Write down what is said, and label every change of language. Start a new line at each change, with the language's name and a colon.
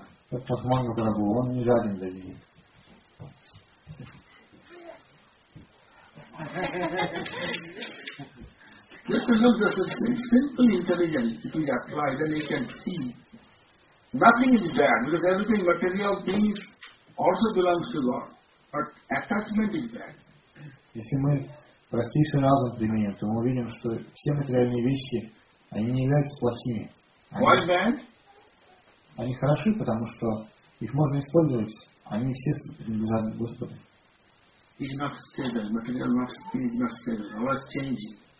Russian: Как Патманга Прабху, он не жаден до денег. Если
English: look at the simple intelligence, if we apply, then you can see nothing is bad, because everything material things also belongs to God. But attachment is bad.
Russian: Если мы простейший разум применим, то мы увидим, что все материальные вещи, они не являются плохими.
English: Why bad?
Russian: Они хороши, потому что их можно использовать, они все принадлежат Господу.
English: It's not stable. Material matter is not stable. Always changing.